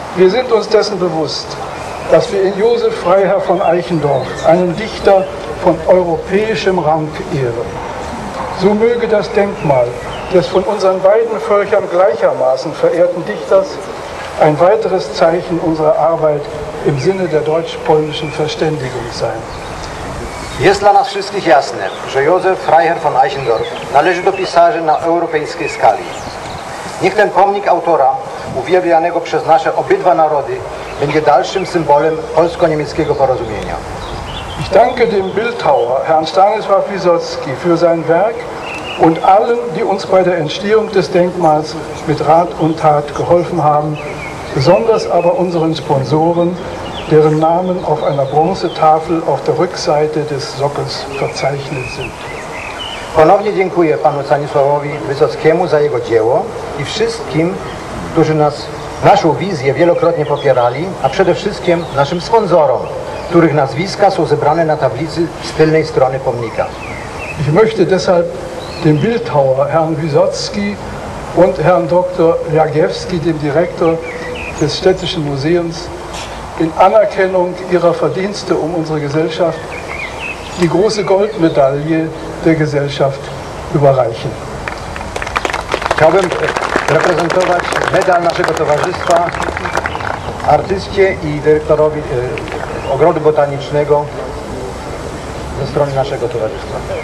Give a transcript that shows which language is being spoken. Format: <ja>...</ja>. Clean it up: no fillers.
<de>Wir sind uns dessen bewusst, dass wir in Josef Freiherr von Eichendorff einen Dichter von europäischem Rang ehren. So möge das Denkmal des von unseren beiden Völkern gleichermaßen verehrten Dichters ein weiteres Zeichen unserer Arbeit im Sinne der deutsch-polnischen Verständigung sein.</de> <pl>Jest dla nas wszystkich jasne, że Józef Freiherr von Eichendorff należy do pisarzy na europejskiej skali. Niech ten pomnik autora, uwielbianego przez nasze obydwa narody, będzie dalszym symbolem polsko-niemieckiego porozumienia.</pl> <de>Ich danke dem Bildhauer, Herrn Stanisław Wysocki, für sein Werk und allen, die uns bei der Entstehung des Denkmals mit Rat und Tat geholfen haben, besonders aber unseren Sponsoren, deren Namen auf einer Bronzetafel auf der Rückseite des Sockels verzeichnet sind.</de> <pl>Ponownie dziękuję panu Stanisławowi Wysockiemu za jego dzieło i wszystkim, którzy nas, naszą wizję wielokrotnie popierali, a przede wszystkim naszym sponsorom, których nazwiska są zebrane na tablicy z tylnej strony pomnika.</pl> <de>Ich möchte deshalb dem Bildhauer Herrn Wysocki und Herrn Dr. Jagiewski, dem Direktor des Städtischen Museums, in Anerkennung ihrer Verdienste um unsere Gesellschaft die große Goldmedaille der Gesellschaft überreichen.</de> <pl>Chciałbym reprezentować medal naszego towarzystwa artyście i dyrektorowi Ogrodu Botanicznego ze strony naszego towarzystwa.</pl>